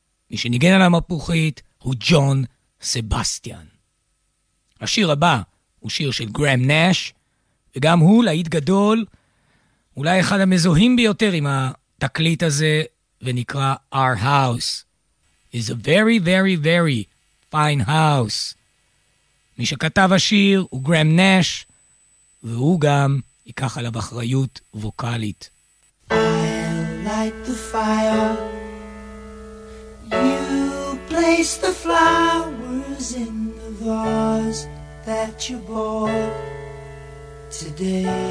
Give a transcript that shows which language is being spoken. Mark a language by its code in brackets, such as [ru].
[he] מי שניגן על המפוחית הוא ג'ון סבסטיאן. השיר הבא הוא שיר של גרם נאש, וגם הוא להיט גדול, אולי אחד המזוהים ביותר עם התקליט הזה, ונקרא Our House. [en] It's a very, very, very fine house. [he] מי שכתב השיר הוא גרם נאש, והוא גם ייקח עליו אחריות ווקלית. [en] I'll light the fire. You place the flowers in the vase that you bought today.